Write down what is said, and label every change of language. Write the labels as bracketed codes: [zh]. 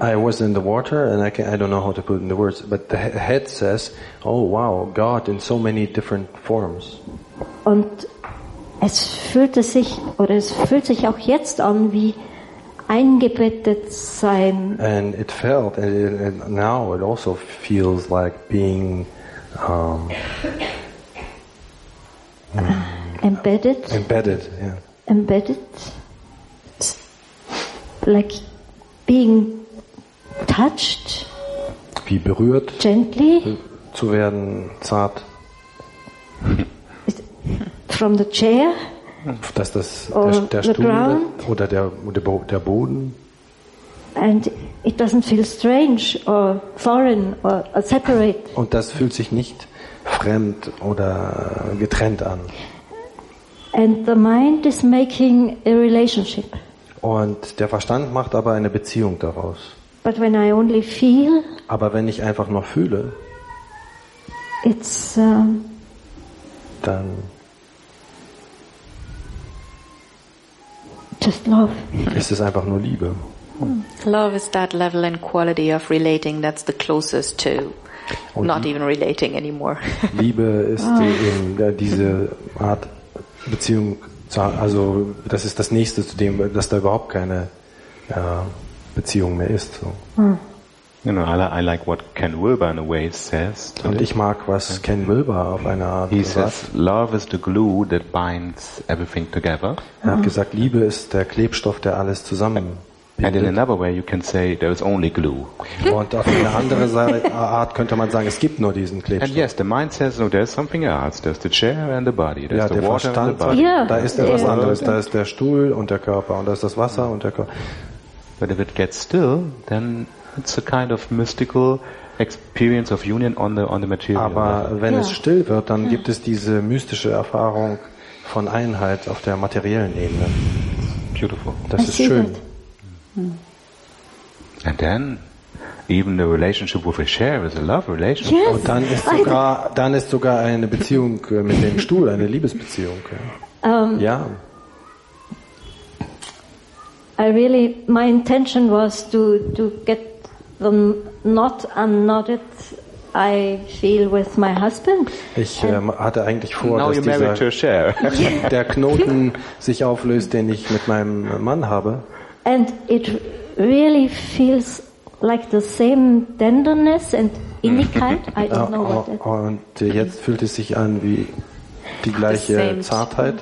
[en] I was in the water and I don't know how to put it in the words, but the head says, oh wow, God in so many different forms. [de] Und es fühlte sich auch jetzt an wie eingebettet sein. [en] And it felt, and now it also feels like being embedded. Embedded, yeah. Embedded. Like being touched. [de] Wie berührt. [en] Gently. [de] Zu werden zart. [en] From the chair. [de] Dass das der Stuhl [en] ground, [de] oder der Boden. [en] And it doesn't feel strange or foreign or separate. [de] Und das fühlt sich nicht fremd oder getrennt an. [en] And the mind is making a relationship. [de] Und der Verstand macht aber eine Beziehung daraus. [en] But when I only feel, [de] aber wenn ich einfach nur fühle, [en] it's, [de] dann [en] just love. [de] Ist es einfach nur Liebe. [en] Love is that level and quality of relating that's the closest to not even relating anymore. [de] Liebe ist diese Art Beziehung, also das ist das Nächste zu dem, dass da überhaupt keine Beziehung mehr ist. [en] So. You know, I like what Ken Wilber in a way says. [de] Und ich mag, was Ken Wilber auf eine Art sagt. [en] He says, love is the glue that binds everything together. [de] Er hat gesagt, Liebe ist der Klebstoff, der alles zusammen. [en] And in another way, you can say there is only glue. [de] Und auf eine andere Art könnte man sagen, es gibt nur diesen Klebstoff. [en] And yes, the mind says, no, there is something else. There's the chair and the body. There's [de] ja, [en] the water [de] Verstand [en] and the body. Yeah. [de] Da ist etwas anderes. Da ist der Stuhl und der Körper und da ist das Wasser und der Körper. [en] But if it gets still, then it's a kind of mystical experience of union on the material. [de] Aber wenn es still wird, dann gibt es diese mystische Erfahrung von Einheit auf der materiellen Ebene. [en] Beautiful. [de] Das ist schön. [en] And then even the relationship with a chair is a love relationship. Yes. [de] Und dann ist sogar eine Beziehung mit dem Stuhl eine Liebesbeziehung. Ja. [en] I really, my intention was to get the knot unknotted I feel with my husband. [de] Ich hatte eigentlich vor, [en] now [de] dass dieser der Knoten sich auflöst, den ich mit meinem Mann habe. [en] And it really feels like the same tenderness and innigkeit. I don't know what that. [de] Und jetzt fühlt es sich an wie die gleiche Zartheit.